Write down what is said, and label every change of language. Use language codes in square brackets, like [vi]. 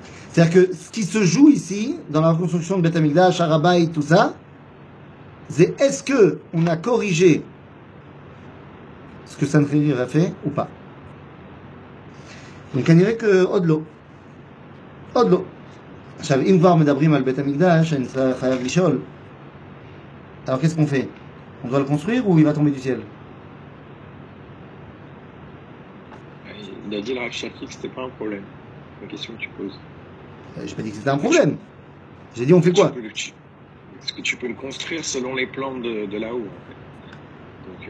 [fr] C'est-à-dire que ce qui se joue ici, dans la reconstruction de Beth Amikdash, Arabaï, tout ça, c'est est-ce qu'on a corrigé ce que Sancheriv a fait ou pas. Donc, on dirait que Odlo. Odlo. [he] עכשיו, אם כבר מדברים על בית המקדש, אני צריך חייב לשאול. [fr] Alors, qu'est-ce qu'on fait? On doit le construire ou il va tomber du ciel? Il a dit le Rav Shafik que c'était pas un problème. La question que tu poses. J'ai pas dit que c'était un problème. J'ai dit on fait quoi? Est-ce que tu peux le construire selon les plans de là-haut, en fait.